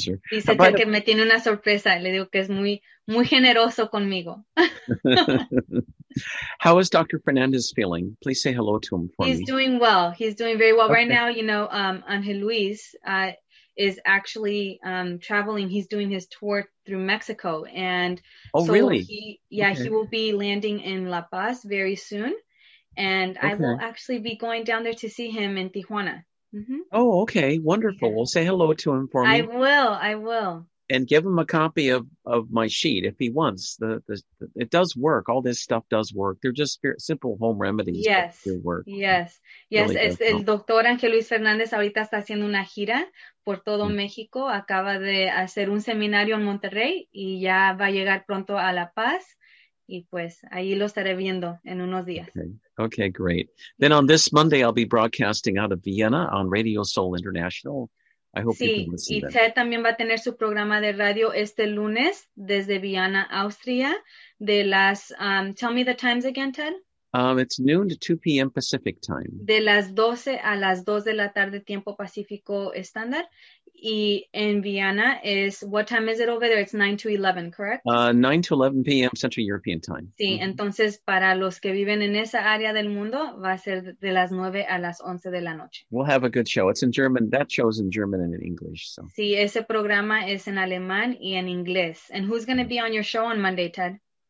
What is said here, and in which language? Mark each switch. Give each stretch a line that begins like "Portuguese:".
Spanish: Dice que me tiene una sorpresa. Le digo que es muy, muy generoso conmigo.
English: How is Dr. Fernandez feeling? Please say hello to him for me. He's doing well. He's doing very well. Okay. Right now, you know, Angel Luis, is actually traveling. He's doing his tour through Mexico. And He will be landing in La Paz very soon. And I will actually be going down there to see him in Tijuana. Mm-hmm. Oh, okay. Wonderful. Yeah. Well, say hello to him for me. I will. and give him a copy of my sheet if he wants. The it does work. All this stuff does work. They're just simple home remedies. Yes. They work. Yes. Yes. Really
Spanish: el doctor Ángel Luis Fernández ahorita está haciendo una gira por todo México. Acaba de hacer un seminario en Monterrey y ya va a llegar pronto a La Paz. Y pues ahí lo estaré viendo en unos días.
English: Okay, great. Then on this Monday, I'll be broadcasting out of Vienna on Radio Soul International. I hope you can listen.
Spanish: Sí, y Ted también va a tener su programa de radio este lunes desde Vienna, Austria. De las,
English: tell me the times again, Ted. It's noon to 2 p.m. Pacific time.
Spanish: De las 12 a las 2 de la tarde, tiempo pacífico estándar. Y en
English: Vienna is, what time is it over there? It's 9 to 11, correct? 9 to 11 p.m. Central European time.
Spanish: Sí, mm-hmm. Entonces para los que viven en esa área del mundo, va a ser de las 9 a las 11 de la noche.
English: We'll have a good show. It's in German. That show's in German and in English. So.
Spanish: Sí, ese programa es en alemán y en inglés.
English: And who's going to be on your show on Monday, Ted?